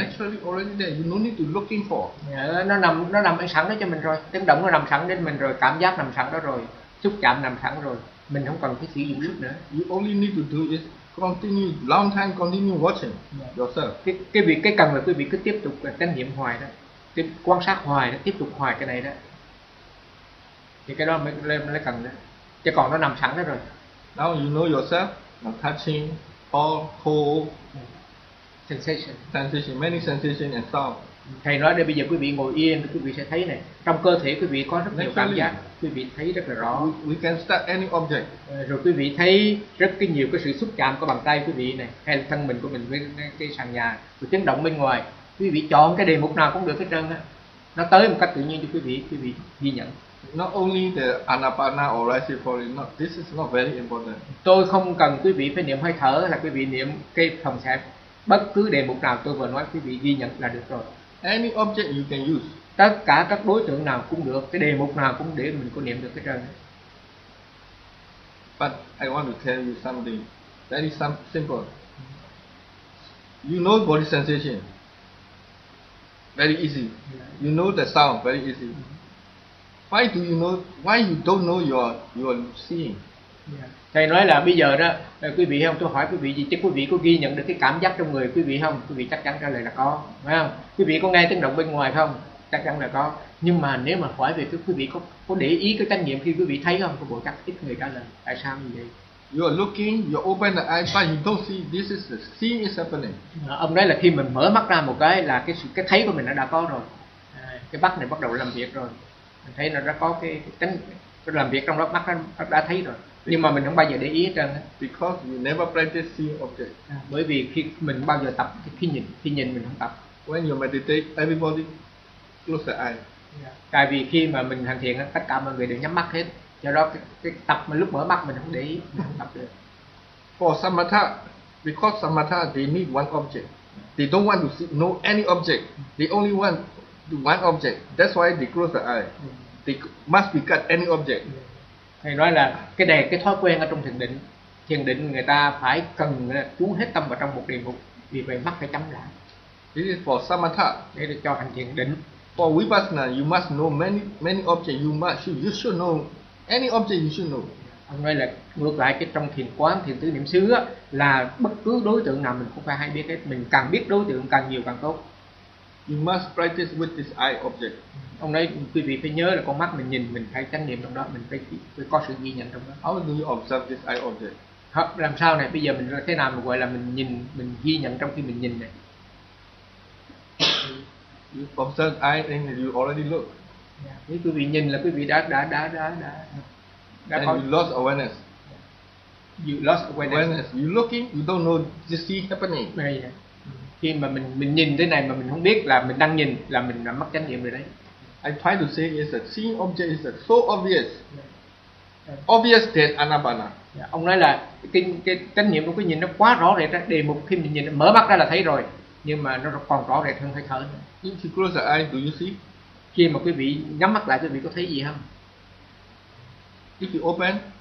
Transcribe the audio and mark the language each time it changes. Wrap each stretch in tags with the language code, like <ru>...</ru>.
<en>Naturally already there, you no need to looking for.</en> <vi>Nó nằm sẵn đó cho mình rồi, tiếng động nó nằm sẵn đến mình rồi, cảm giác nằm sẵn đó rồi, xúc chạm nằm sẵn rồi, mình không cần phải sử dụng sức nữa.</vi> <en>You only need to do is continue long time continue watching yourself.</en> <vi>Cái cần là quý vị cứ tiếp tục trải nghiệm hoài đó, tiếp quan sát hoài đó, tiếp tục hoài cái này đó, thì cái đó mới cần đó. Chứ còn nó nằm sẵn đó rồi.</vi> <en>Now you know yourself, touching, all whole sensation, many sensation and sound.</en> <vi>Thầy nói đây bây giờ quý vị ngồi yên, quý vị sẽ thấy này, trong cơ thể quý vị có rất nhiều cảm giác, quý vị thấy rất là rõ.</vi> <en>We can start any object.</en> <vi>Rồi quý vị thấy rất cái nhiều cái sự xúc chạm của bàn tay quý vị này, hay là thân mình của mình với cái sàn nhà, rồi tiếng động bên ngoài, quý vị chọn cái đề mục nào cũng được hết trơn á, nó tới một cách tự nhiên cho quý vị ghi nhận.</vi> <en>Not only the anapana or rising falling, not this is not very important.</en> <vi>Tôi không cần quý vị phải niệm hơi thở là quý vị niệm cái phòng xẹp. Bất cứ đề mục nào tôi vừa nói quý vị ghi nhận là được rồi.</vi> <en>Any object you can use.</en> <vi>Tất cả các đối tượng nào cũng được, cái đề mục nào cũng để mình có niệm được cái trơn.</vi> <en>But I want to tell you something very simple. You know body sensation. Very easy. You know the sound very easy. Why do you know? Why you don't know your seeing?</en> <vi>Thầy nói là bây giờ đó, quý vị không? Tôi hỏi quý vị gì? Chắc quý vị có ghi nhận được cái cảm giác trong người quý vị không? Quý vị chắc chắn trả lời là có, phải không? Quý vị có nghe tiếng động bên ngoài không? Chắc chắn là có. Nhưng mà nếu mà hỏi về quý vị có để ý cái trách nhiệm khi quý vị thấy không? Có bộ chắc ít người trả lời. Tại sao như vậy?</vi> <en>You are looking, you open the eyes, but you don't see. This is the seeing is happening.</en> <vi>Ông nói là khi mình mở mắt ra một cái là cái thấy của mình đã có rồi. Cái mắt này bắt đầu làm việc rồi. Mình thấy nó đã có cái làm việc trong lớp mắt nó đã thấy rồi. Nhưng mà mình không bao giờ để ý hết trơn.</vi> <en>Because you never practice seeing object.</en> <vi>Bởi vì khi mình bao giờ tập khi nhìn mình không tập.</vi> <en>When you meditate, everybody close their eyes.</en> <vi>Tại vì khi mà mình hành thiền tất cả mọi người đều nhắm mắt hết. Do đó cái tập mà lúc mở mắt mình không để ý, mình không tập được.</vi> <en>For samatha, because samatha they need one object. They don't want to see no any object. They only want the one object. That's why they close their eyes. They must be cut any object.</en> <vi>Thầy nói là cái thói quen ở trong thiền định người ta phải cần chú hết tâm vào trong một đề mục, vì vậy mắt phải chấm lại.</vi> <en>This is for samatha.</en> <vi>Để được cho hành thiền định.</vi> <en>For vipassana, you must know many objects. You should know any object you should know.</en> <vi>Ông nói là ngược lại, cái trong thiền quán, thiền tứ niệm xứ á, là bất cứ đối tượng nào mình cũng phải hay biết hết, mình càng biết đối tượng càng nhiều càng tốt.</vi> <en>You must practice with this eye object.</en> <vi>Ông nói quý vị phải nhớ là con mắt mình nhìn, mình phải chánh niệm trong đó, mình phải có sự ghi nhận trong đó.</vi> <en>How do you observe this eye object?</en> <vi>Làm sao này, bây giờ mình thế nào mà gọi là mình ghi nhận trong khi mình nhìn này?</vi> <en>You observe eye and you already look.</en> <vi>Nếu quý vị nhìn là quý vị đã</vi> <en>And you lost awareness. You lost awareness. You looking, you don't know this see happening.</en> <vi>Khi mà mình nhìn thế này mà mình không biết là mình đang nhìn, là mình đã mất chánh niệm rồi đấy.</vi> <en>I try to say is that seeing object is that so obvious. Obvious than anapana.</en> <vi>Ông nói là cái chánh niệm của cái nhìn nó quá rõ rệt, đề mục khi mình nhìn mở mắt ra là thấy rồi, nhưng mà nó còn rõ rệt hơn hơi thở.</vi> <en>If you close your eyes, do you see?</en> <vi>Khi mà quý vị nhắm mắt lại, quý vị có thấy gì không?</vi> <en>If you open,</en>